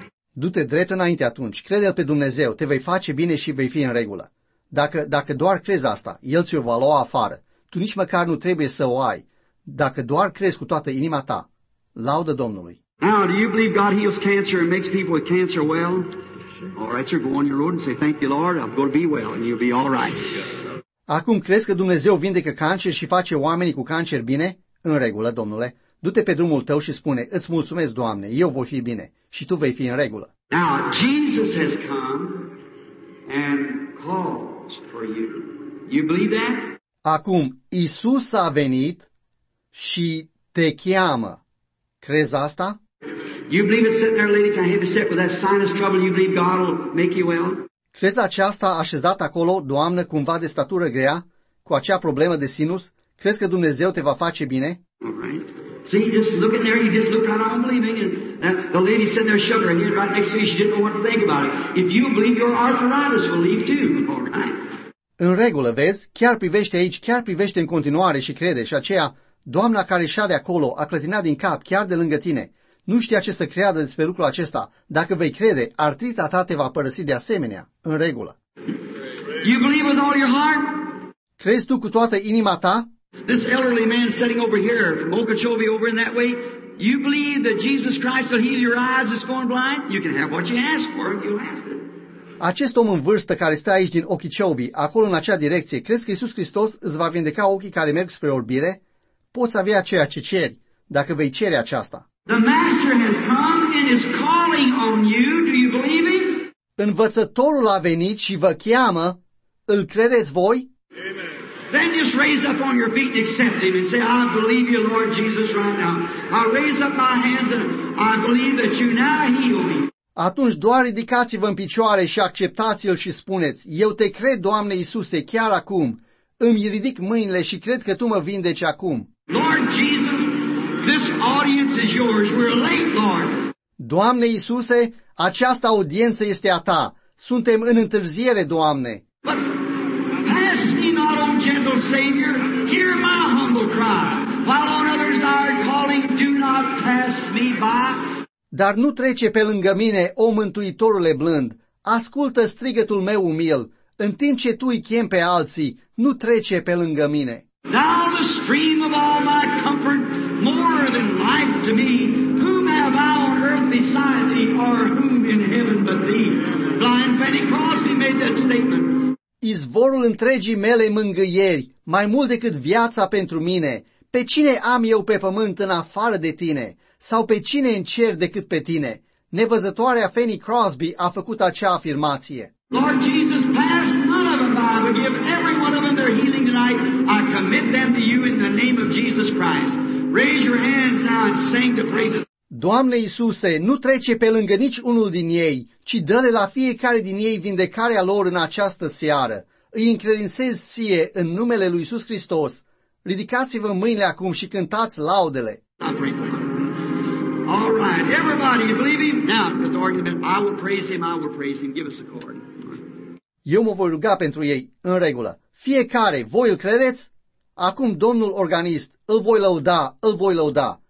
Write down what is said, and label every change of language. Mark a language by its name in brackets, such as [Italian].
[Romanian] Du-te drept înainte atunci. Crede-L pe Dumnezeu. Te vei face bine și vei fi în regulă. Dacă doar crezi asta, El ți-o va lua afară. Tu nici măcar nu trebuie să o ai. Dacă doar crezi cu toată inima ta, laudă Domnului. [English] Now, do you believe God heals cancer and makes people with cancer well? All right, sir, go on your road and say, thank you, Lord, I'm going to be well, and you'll be all right. [Romanian] Acum crezi că Dumnezeu vindecă cancer și face oamenii cu cancer bine? În regulă, Domnule. Du-te pe drumul tău și spune, îți mulțumesc, Doamne, eu voi fi bine și tu vei fi în regulă. [English] Now, Jesus has come and calls for you. You believe that? [Romanian] Acum, Iisus a venit și te cheamă. Crezi asta? [English] You believe it's sitting there, lady, can I have you sit with that sinus trouble? You believe God will make you well? [Romanian] Crezi aceasta așezat acolo, doamnă, cumva de statură grea, cu acea problemă de sinus? Crezi că Dumnezeu te va face bine? [English] All right. See, just looking there, you just look right on believing, and the lady sitting there shook her head right next to you, she didn't know what to think about it. If you believe, your arthritis will leave too. All right. [Romanian] În regulă, vezi, chiar privește aici, chiar privește în continuare și crede, și aceea, doamna care șade acolo, a clătinat din cap, chiar de lângă tine. Nu știa ce să creadă despre lucrul acesta. Dacă vei crede, artrita ta te va părăsi de asemenea. În regulă. [English] You believe with all your heart? [Romanian] Crezi tu cu toată inima ta? [English] This elderly man sitting over here, from Okeechobee over in that way, you believe that Jesus Christ will heal your eyes that's going blind? You can have what you ask for if you ask it. [Romanian] Acest om în vârstă care stă aici din Okeechobee, acolo în acea direcție, crezi că Iisus Hristos îți va vindeca ochii care merg spre orbire? Poți avea ceea ce ceri, dacă vei cere aceasta. [English] The master has come and is calling on you. Do you believe him? [Romanian] Învățătorul a venit și vă cheamă, îl credeți voi? [English] Then just raise up on your feet and accept him and say, I believe you, Lord Jesus, right now. I raise up my hands and I believe that you now heal me. [Romanian] Atunci doar ridicați-vă în picioare și acceptați-l și spuneți, eu te cred, Doamne Iisuse, chiar acum. Îmi ridic mâinile și cred că tu mă vindeci acum. [English] Lord Jesus, this audience is yours. We're late, Lord. [Romanian] Doamne Iisuse, această audiență este a ta. Suntem în întârziere, Doamne. [English] But pass me not on, gentle Savior. Hear my humble cry. While on others are calling, do not pass me by. [Romanian] Dar nu trece pe lângă mine, o mântuitorule blând. Ascultă strigătul meu umil. În timp ce tu îi chem pe alții, nu trece pe lângă mine. [English] Thou the stream of all my comfort, more than life to me. Whom have I on earth beside thee, or whom in heaven but thee? Blind Fanny Crosby made that statement. [Romanian] Izvorul întregii mele mângâieri, mai mult decât viața pentru mine. Pe cine am eu pe pământ în afară de tine? Sau pe cine în cer decât pe tine? Nevăzătoarea Fanny Crosby a făcut acea afirmație. [English] Lord Jesus, pass none of them by, but give every one of them their healing tonight. I commit them to you in the name of Jesus Christ. Raise your hands now and sing the praises. [Romanian] Doamne Iisuse, nu trece pe lângă nici unul din ei, ci dă-le la fiecare din ei vindecarea lor în această seară. Îi încredințez ție în numele lui Iisus Hristos. Ridicați-vă mâinile acum și cântați laudele. [English] All right, everybody, you believe him? Now, because the argument, I will praise him, I will praise him. Give us a chord. [Romanian] Eu mă voi ruga pentru ei, în regulă. Fiecare, voi îl credeți? Acum, domnul organist, îl voi lăuda, îl voi lăuda.